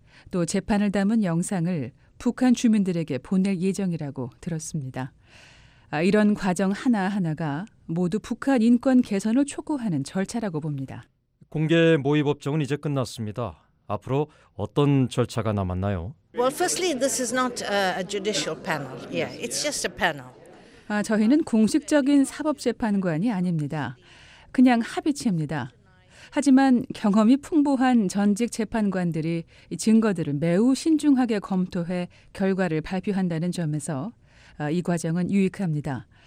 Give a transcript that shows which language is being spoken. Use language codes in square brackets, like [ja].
[ko] 또 재판을 담은 영상을 북한 주민들에게 보낼 예정이라고 들었습니다. 이런 과정 하나하나가 모두 북한 인권 개선을 촉구하는 절차라고 봅니다. 공개 모의 법정은 이제 끝났습니다. 앞으로 어떤 절차가 남았나요? [en] Well, firstly, this is not a judicial panel. Yeah, it's just a panel. [ko] 저희는 공식적인 사법 재판관이 아닙니다. 그냥 합의체입니다. 하지만 경험이 풍부한 전직 재판관들이 증거들을 매우 신중하게 검토해 결과를 발표한다는 점에서 이 과정은 유익합니다.